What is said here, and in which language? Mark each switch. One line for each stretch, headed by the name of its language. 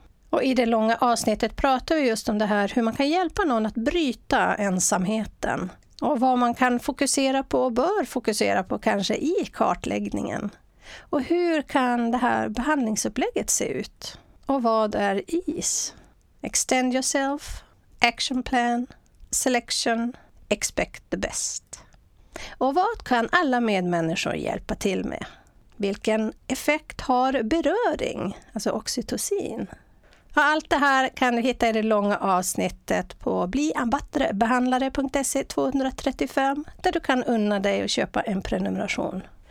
Swedish: Och i det långa avsnittet pratar vi just om det här, hur man kan hjälpa någon att bryta ensamheten och vad man kan fokusera på och bör fokusera på kanske i kartläggningen. Och hur kan det här behandlingsupplägget se ut? Och vad är IS?
English: Extend yourself, action plan, selection, expect the best.
Swedish: Och vad kan alla medmänniskor hjälpa till med? Vilken effekt har beröring, alltså oxytocin? Och allt det här kan du hitta i det långa avsnittet på bliambattrebehandlare.se 235 där du kan unna dig att köpa en prenumeration.